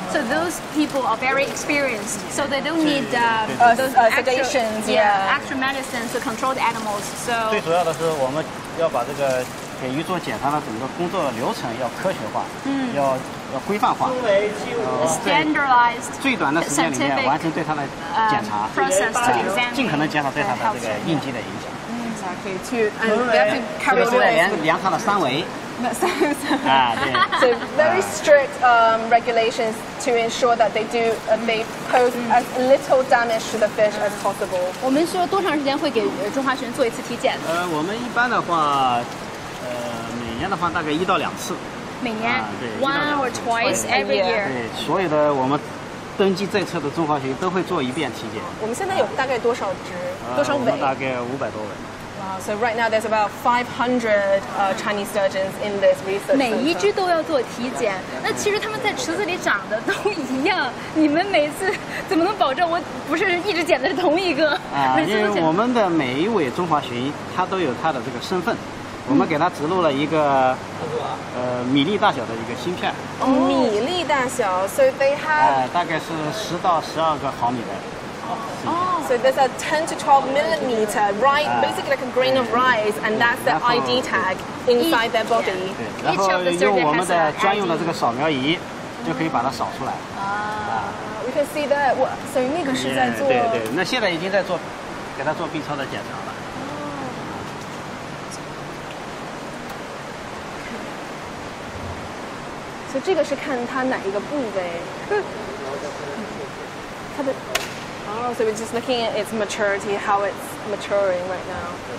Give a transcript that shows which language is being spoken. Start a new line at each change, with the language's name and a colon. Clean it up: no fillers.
English: So those people are very experienced, so they don't need sedations, extra medicine to control the animals. So
Chinese: 最主要的是我们要把这个给鱼做检查的整个工作流程要科学化，要规范化，
English: standardized,
Chinese: 最短的时间里面完成对它的检查，
English: process,
Chinese: 尽可能减少对它的这个应激的影响。
English: Exactly. To, they have to carry away. This is the So very strict regulations to ensure that they do, they pose as little damage to the fish as possible.
Chinese: 我们说多长时间会给中华鲟做一次体检？我们一般的话，每年的话大概一到两次。
English: 每年 one or twice every year.
Chinese: 所有的我们登记在册的中华鲟都会做一遍体检。我们现在有大概多少只？多少尾？我们大概500多尾。
English: Wow, so right now there's about 500 Chinese sturgeons in this research.
Chinese: 每一只都要做体检。那其实他们在池子里长得都一样，你们每次怎么能保证我不是一直捡的是同一个？因为我们的每一尾中华鲟它都有它的这个身份。我们给它植入了一个米粒大小的一个芯片。米粒大小，所以 they have 大概是10到12毫米的。
English: So there's a 10 to 12 millimeter, right, basically like a grain of rice, and that's the ID tag inside their body.
Chinese: 然后用我们的专用的这个扫描仪就可以把它扫出来。
English: We can see that, so 那个是在做。
Chinese: 对，那现在已经在做给它做 B 超的检查了。所以这个是看它哪一个部位。它的。
English: So we're just looking at its maturity, how it's maturing right now.